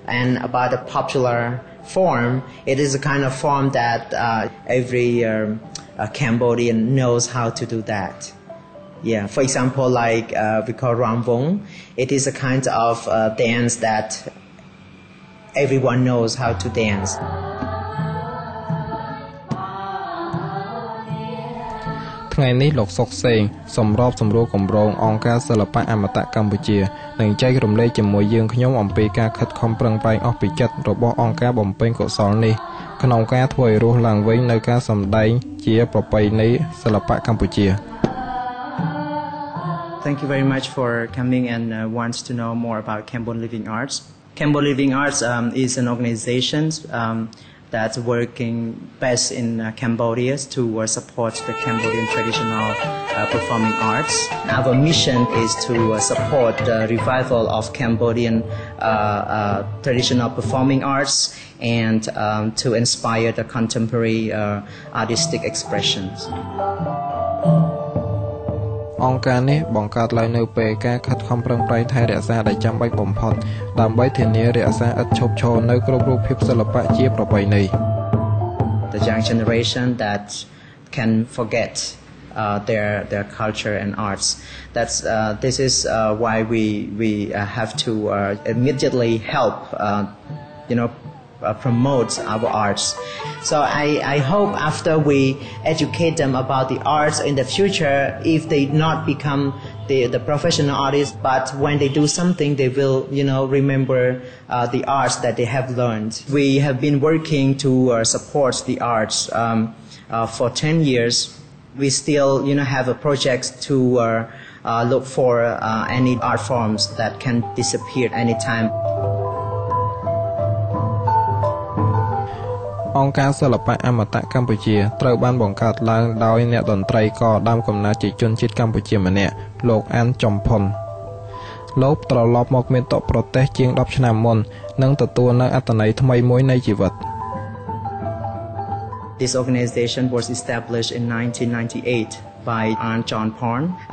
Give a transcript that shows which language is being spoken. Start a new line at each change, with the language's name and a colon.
English: And about the popular form, it is a kind of form that every Cambodian knows how to do that. Yeah, for example, like we call Rambong, it is a kind of dance that everyone knows how to dance.
Khmer: ថ្ងៃនេះលោកសុកសេងសម្របសម្រួលគម្រោងអង្គការសិល្បៈអមតៈកម្ពុជានឹងចែករំលែកជាមួយយើងខ្ញុំអំពីការខិតខំប្រឹងប្រែងអស់ពីចិត្តរបស់អង្គការបំពេញកុសលនេះក្នុងការធ្វើឲ្យរស់ឡើងវិញនូវការសម្ដែងជាប្រពៃណីសិល្បៈកម្ពុជា
English: Thank you very much for coming and wants to know more about Cambodian Living Arts. Cambodian Living Arts is an organization that's working best in Cambodia to support the Cambodian traditional performing arts. Our mission is to support the revival of Cambodian traditional performing arts and to inspire the contemporary artistic expressions.
Khmer: អង្គការនេះបង្កើតឡើងនៅពេលការខិតខំប្រឹងប្រែងថែរក្សាដែលចាំបាច់បំផុតដើម្បីធានារក្សាឥតឈប់ឈរនៅគ្រប់រូបភាពសិល្បៈជាប្រពៃណី
English: The young generation that can forget their culture and arts that's this is why we have to immediately help you know promotes our arts. So I hope after we educate them about the arts in the future, if they not become the professional artists, but when they do something, they will, you know, remember the arts that they have learned. We have been working to support the arts for 10 years. We still, you know, have a project to look for any art forms that can disappear anytime.
Khmer: អង្គការសិល្បៈអមតៈកម្ពុជាត្រូវបានបង្កើតឡើងដោយអ្នកតន្ត្រីករដើមកំណើតជាជនជាតិកម្ពុជាម្នាក់លោកអានចំផុនលោកត្រឡប់មកមានតប្រទេសជាង10ឆ្នាំមុននិងទទួលនៅអត្តន័យថ្មីមួយនៃជីវិត
English: This organization was established in 1998 by An John Porn.